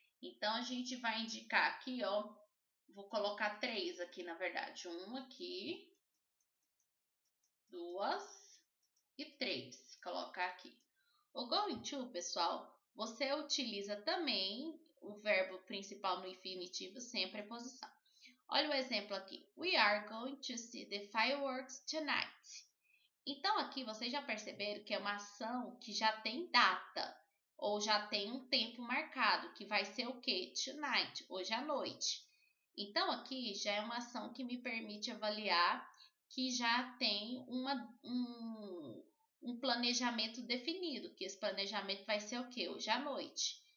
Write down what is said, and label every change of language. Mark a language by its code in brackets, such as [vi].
[pt] Então, a gente vai indicar aqui, ó. Vou colocar três aqui, na verdade. Um aqui, duas e três. Colocar aqui. O going to, pessoal, você utiliza também o verbo principal no infinitivo sem a preposição. Olha o exemplo aqui. [en] We are going to see the fireworks tonight. [pt] Então, aqui vocês já perceberam que é uma ação que já tem data ou já tem um tempo marcado, que vai ser o quê? Tonight, hoje à noite. Então, aqui já é uma ação que me permite avaliar que já tem um planejamento definido, que esse planejamento vai ser o quê? Hoje à noite.